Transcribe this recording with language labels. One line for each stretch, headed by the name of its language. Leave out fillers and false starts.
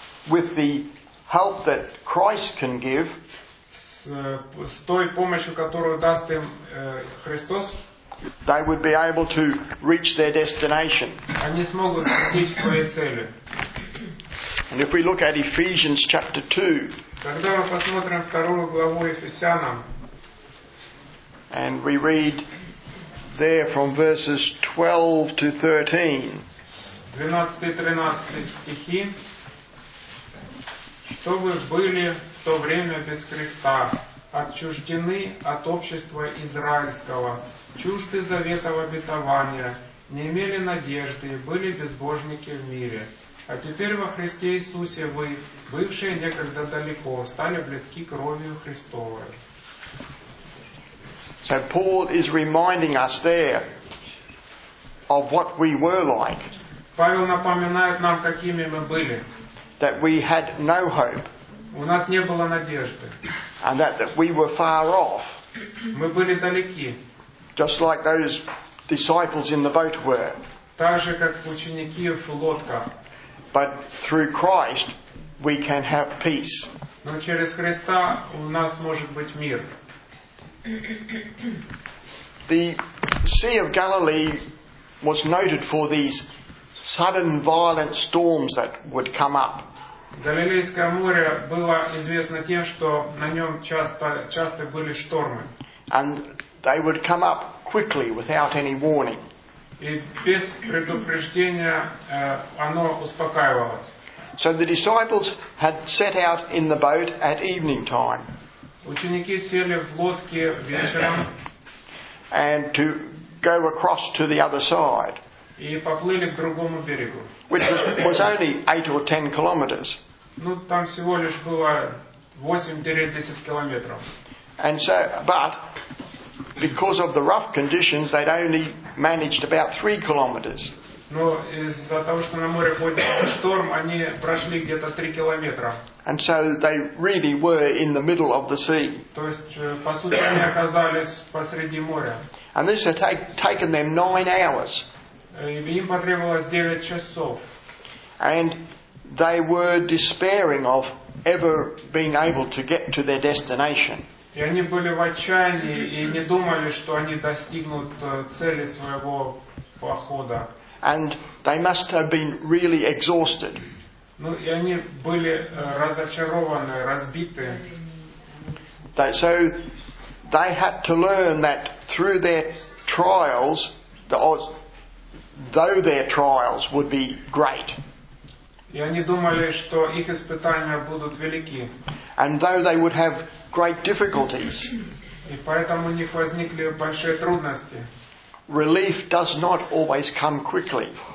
English: with the help that Christ can give,
Russian: с той помощью, которую даст им Христос,
English: they would be able to reach their destination.
Russian: Они смогут достичь своей цели.
English: And if we look at Ephesians chapter 2,
Russian: когда мы посмотрим вторую главу Ефесянам,
English: and we read there from verses 12 to 13.
Russian: 12-13 стихи. Что вы были в то время без Христа, отчуждены от общества израильского, чужды завета обетования, не имели надежды, были безбожники в мире. А теперь во Христе Иисусе вы, бывшие некогда далеко, стали близки кровью Христовой.
English: So Paul is reminding us there of what we were like.
Russian: Павел напоминает нам, какими мы были.
English: That we had no hope.
Russian: У нас не было надежды.
English: And that we were far off.
Russian: Мы были далеки.
English: Just like those disciples in the boat were.
Russian: Так же, как ученики в лодках.
English: But through Christ we can have peace.
Russian: Но через Христа у нас может быть мир.
English: The Sea of Galilee was noted for these sudden violent storms that would come up.
Russian: Галилейское море было известно тем, что на нем часто были штормы.
English: And they would come up quickly without any warning.
Russian: И без предупреждения оно успокаивалось.
English: So the disciples had set out in the boat at evening time.
Russian: Ученики сели в лодке вечером.
English: And to go across to the other side.
Russian: И поплыли к другому берегу.
English: Which was only 8 or 10 kilometers.
Russian: Ну, там всего лишь было 8-10 километров.
English: And so, but because of the rough conditions, they'd only managed about 3 kilometers.
Russian: Но из-за того, что на море ходит шторм, они прошли где-то 3 километра.
English: And so they really were in the middle of the sea.
Russian: То есть, по сути, они оказались посреди моря.
English: And this had taken them 9 hours.
Russian: Им потребовалось 9 часов.
English: And they were despairing of ever being able to get to their destination.
Russian: И они были в отчаянии и не думали, что они достигнут цели своего похода.
English: And they must have been really exhausted.
Russian: Ну, и они были разочарованы, разбиты.
English: So they had to learn that through their trials, though their trials would be great.
Russian: И они думали, что их испытания будут велики.
English: And though they would have great difficulties,
Russian: и поэтому у них возникли большие трудности.
English: Relief does not always come quickly.